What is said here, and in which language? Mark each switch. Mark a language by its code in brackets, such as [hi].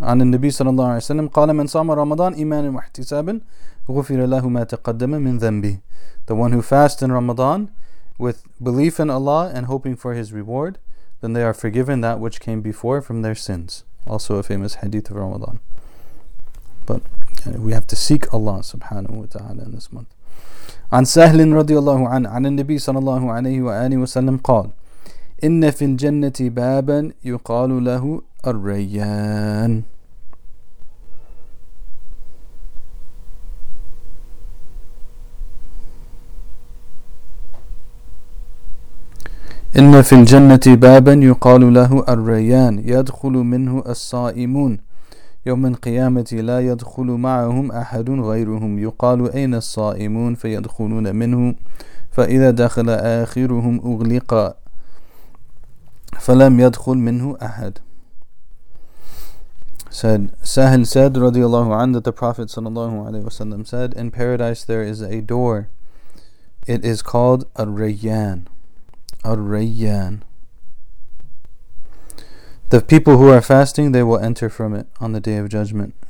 [ar] عن النبي صلى الله عليه وسلم قال من صام رمضان إيمانا واحتسابا غفر له ما تقدم من ذنبه. [en] The one who fasts in Ramadan with belief in Allah and hoping for his reward, then they are forgiven that which came before from their sins. Also a famous hadith of Ramadan. But we have to seek Allah subhanahu wa ta'ala in this month. [ar] عن سهل رضي الله عنه عن النبي صلى الله عليه وآله وسلم قال إن في الجنة بابا يقال له الريان. إن في الجنة بابا يقال له الريان يدخل منه الصائمون يوم القيامة لا يدخل معهم أحد غيرهم يقال أين الصائمون فيدخلون منه فإذا دخل آخرهم أغلق فلم يدخل منه أحد. [en] Said Sahil said radiallahu anhu that the Prophet sallallahu alaihi wasallam said, in paradise there is a door. It is called Ar-Rayyan. Ar-Rayyan. The people who are fasting, they will enter from it on the day of judgment.